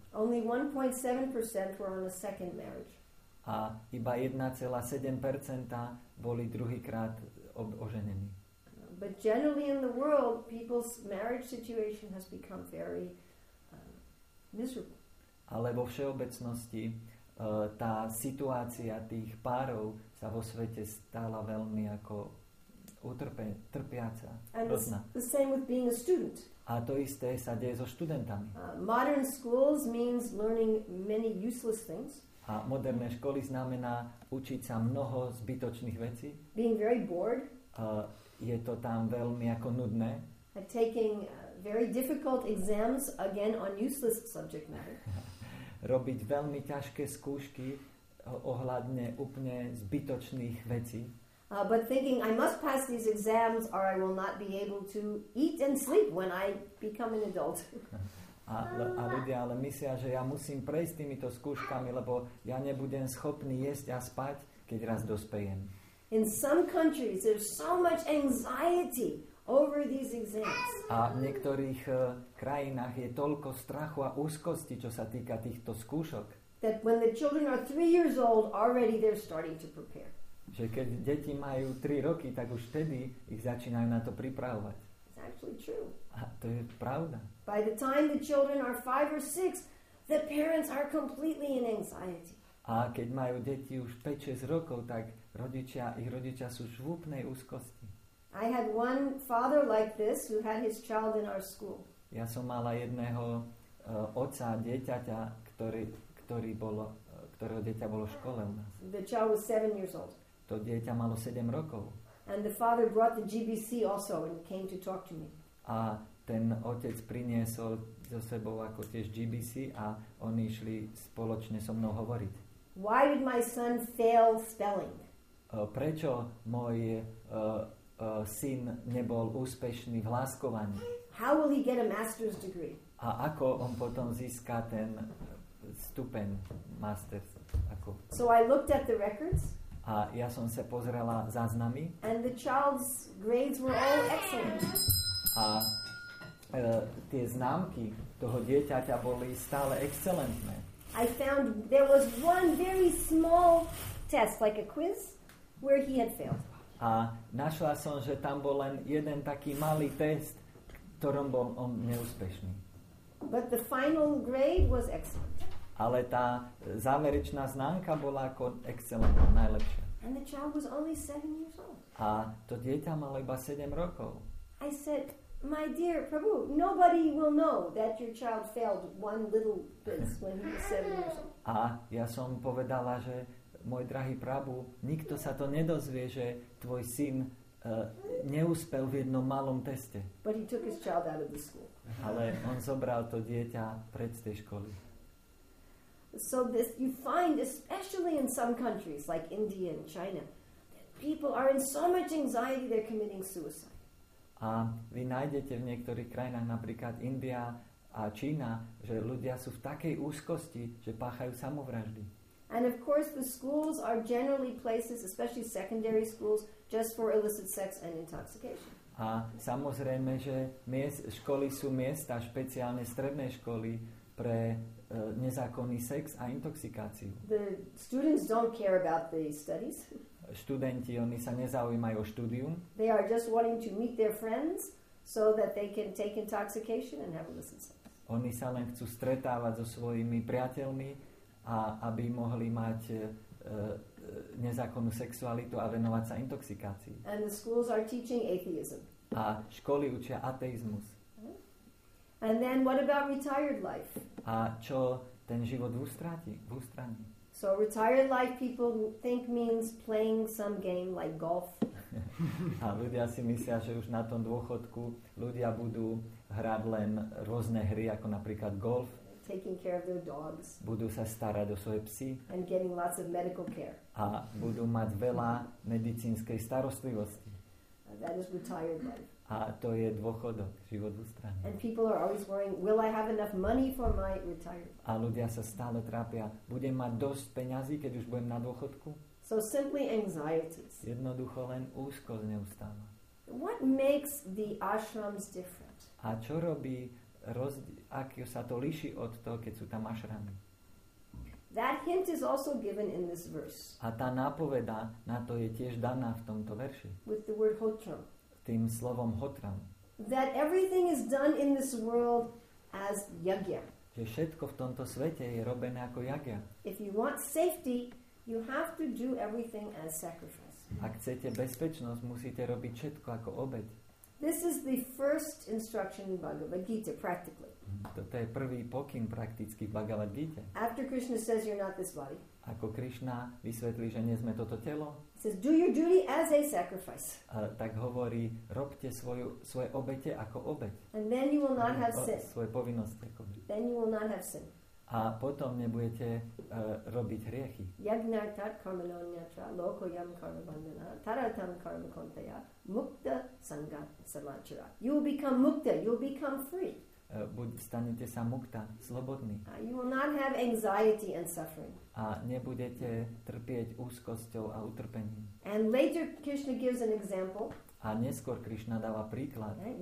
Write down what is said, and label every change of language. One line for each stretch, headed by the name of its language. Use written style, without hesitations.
English: Only 1.7% were on a second marriage.
Slovak: A iba 1.7% boli druhýkrát oženení.
English: But generally in the world, people's marriage situation has become very miserable.
Slovak: Ale vo všeobecnosti tá situácia tých párov sa vo svete stala veľmi ako trpiaca.
English: And the same with being a student.
Slovak: A to isté sa deje so študentami.
English: Modern schools means learning many useless things.
Slovak: A moderné školy znamená učiť sa mnoho zbytočných vecí.
English: Being very bored.
Slovak: Je to tam veľmi ako nudné.
English: And taking very difficult exams again on useless subject matter.
Slovak: Robiť veľmi ťažké skúšky ohľadne úplne zbytočných vecí.
English: But thinking I must pass these exams or I will not be able to eat and sleep when I become an adult.
Slovak: A ľudia ale myslia, že ja musím prejsť týmito skúškami, lebo ja nebudem schopný jesť a spať, keď raz dospejem.
English: In some countries there's so much anxiety over these exams.
Slovak: A v niektorých krajinách je toľko strachu a úzkosti, čo sa týka týchto skúšok.
English: That when the children are 3 years old already they're starting to prepare.
Slovak: Že keď deti majú 3 roky, tak už vtedy ich začínajú na to pripravovať.
English: It's actually true.
Slovak: A to je pravda.
English: By the time the children are 5 or 6, the parents are completely in anxiety.
Slovak: A keď majú deti už 5-6 rokov, tak rodičia, ich rodičia sú v úplnej úzkosti.
English: I had one father like this who had his child in our school.
Slovak: Ja som mala jedného otca dieťaťa, ktorého dieťa bolo v škole u nás.
English: The child was 7 years old.
Slovak: To dieťa malo 7 rokov.
English: And the father brought the GBC also and came to talk to me.
Slovak: A ten otec priniesol so sebou ako tiež GBC a oni išli spoločne so mnou hovoriť.
English: Why did my son fail spelling?
Slovak: Prečo môj syn nebol úspešný v hláskovaní?
English: How will he get a master's degree?
Slovak: A ako on potom získa ten stupeň master's? Ako?
English: So I looked at the records.
Slovak: A ja som sa pozrela záznamy.
English: And the child's grades were all excellent.
Slovak: A tie známky toho dieťaťa boli stále excelentné.
English: I found there was one very small test, like a quiz, where he had failed.
Slovak: A našla som, že tam bol len jeden taký malý test, ktorom bol on neúspešný.
English: But the final grade was excellent.
Slovak: Ale tá záverečná známka bola ako excelentná, najlepšia.
English: And the child was only 7 years old.
Slovak: A to dieťa malo iba 7 rokov.
English: I said, my dear Prabhu, nobody will know that your child failed one little bit when he was 7 years old.
Slovak: A ja som povedala, že môj drahý Prabhu, nikto sa to nedozvie, že tvoj syn neúspel v jednom malom teste.
English: But he took his child out of the school.
Slovak: Ale on zobral to dieťa pred tej školy.
English: So this you find especially in some countries like India and China that people are in so much anxiety they're committing suicide.
Slovak: A vy nájdete v niektorých krajinách, napríklad India a Čína, že ľudia sú v takej úzkosti, že páchajú samovraždy.
English: And of course the schools are generally places, especially secondary schools, just for illicit sex and intoxication.
Slovak: A samozrejme, že školy sú miesta, špeciálne stredné školy, pre nezákonný sex a intoxikáciu.
English: The students don't care about the studies.
Slovak: Študenti, oni sa nezaujímajú o štúdium.
English: They are just wanting to meet their friends so that they can take intoxication and have illicit sex.
Slovak: Oni sa len chcú stretávať so svojimi priateľmi a aby mohli mať nezákonnú sexualitu a venovať sa intoxikácii.
English: And the schools are teaching atheism.
Slovak: A školy učia ateizmus.
English: And then what about retired life?
Slovak: A čo ten život v ústraní?
English: So retired life people think means playing some game like golf.
Slovak: A ľudia si myslia, že už na tom dôchodku ľudia budú hrať len rôzne hry, ako napríklad golf.
English: Taking care of their dogs.
Slovak: Budú sa starať o svoje psy.
English: And getting lots of medical care.
Slovak: A budú mať veľa medicínskej starostlivosti.
English: That is retired life.
Slovak: A to je dôchodok, život v ústraní.
English: And people are always worrying, will I have enough money for my retirement?
Slovak: A ľudia sa stále trápia, budem mať dosť peňazí, keď už budem na dôchodku?
English: So simply anxieties.
Slovak: Jednoducho len úzkosť neustáva.
English: What makes the ashrams different?
Slovak: A čo robí, ak sa to líši od toho, keď sú tam ashramy?
English: That hint is also given in this verse.
Slovak: A tá nápoveda na to je tiež daná v tomto verši.
English: With the word hotram.
Slovak: Tým slovom hotram.
English: That everything is done in this world as yagya.
Slovak: Že všetko v tomto svete je robené ako yagya.
English: If you want safety, you have to do everything as sacrifice.
Slovak: Ak chcete bezpečnosť, musíte robiť všetko ako obeť.
English: This is the first instruction in Bhagavad Gita, practically.
Slovak: Toto je prvý pokyn prakticky v Bhagavad Gita.
English: After Krishna says you're not this body.
Slovak: Ako Krishna vysvetlí, že nie sme toto telo.
English: Says, do your duty as a sacrifice.
Slovak: Tak hovorí, robte svoje obete ako obeť.
English: And then you will not have sin.
Slovak: Svoje povinnosti ako obeť.
English: Then you will not have sin.
Slovak: A potom nebudete robiť hriechy.
Sanskrit: Yagnartat karmanonyatra lokoyam karmabandana taratam karmakontaya mukta sangha samachara.
English: You will become mukta. You will become free.
Slovak: Stanete sa mukta, slobodný.
English: You will not have anxiety and suffering.
Slovak: A nebudete trpieť úzkosťou a utrpením.
English: And later Krishna gives an example.
Slovak: A neskôr Krishna dáva príklad.